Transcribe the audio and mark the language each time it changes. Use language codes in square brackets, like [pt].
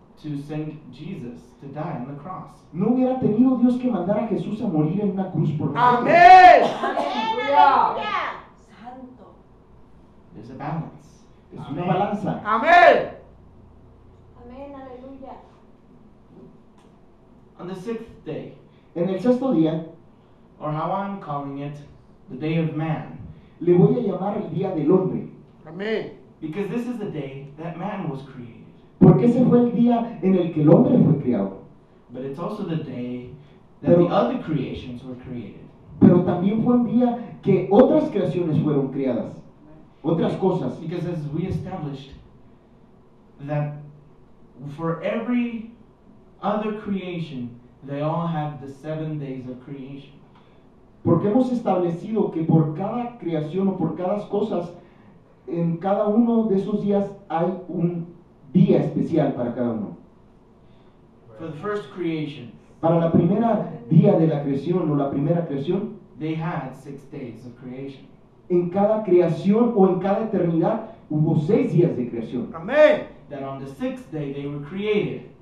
[en] to send Jesus to die on the cross. [es] No hubiera tenido Dios que mandar a Jesús a morir en una cruz por nosotros. Amén. Aleluya. Santo. [en] There's a balance. [es] Es una balanza. Amén. Amén. Aleluya. [en] On the sixth day. [es] En el sexto día. [en] Or how I'm calling it, the day of man. [es] Le voy a llamar el día del hombre. Amén. [en] Because this is the day that man was created. [es] Porque ese fue el día en el que el hombre fue creado. [en] But it's also the day that the other creations were created. [es] Pero también fue un día que otras creaciones fueron creadas. Otras cosas. [en] Because as we established that for every other creation, they all have the 7 days of creation. [es] Porque hemos establecido que por cada creación o por cada cosas, en cada uno de esos días hay un día especial para cada uno. [en] For the first creation, [es] para la primera día de la creación o la primera creación, [en] they had 6 days of creation. [es] En cada creación o en cada eternidad hubo 6 días de creación. [en] Amen. That on the sixth day they were created.